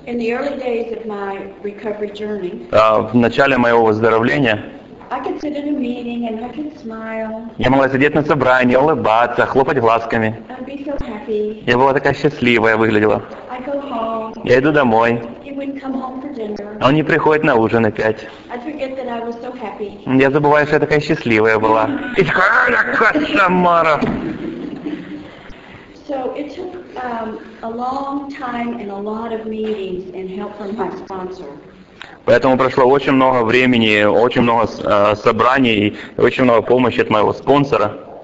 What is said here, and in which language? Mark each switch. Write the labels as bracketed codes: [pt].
[en] In the early days of my recovery journey, [ru] в начале моего выздоровления [en] I could sit in a meeting and I could smile. [ru] Я могла сидеть на собрании, улыбаться, хлопать глазками. [en] I'd be so happy. [ru] Я была такая счастливая выглядела. [en] I'd go home. [ru] Я иду домой. [en] He wouldn't come home for dinner. [ru] Он не приходит на ужин опять. [en] I'd forget that I was so happy. [ru] Я забываю, что я такая счастливая была. Самара. [en] So it took a long time and a lot of meetings and help from my sponsor. [ru] Поэтому прошло очень много времени, очень много собраний и очень много помощи от моего спонсора.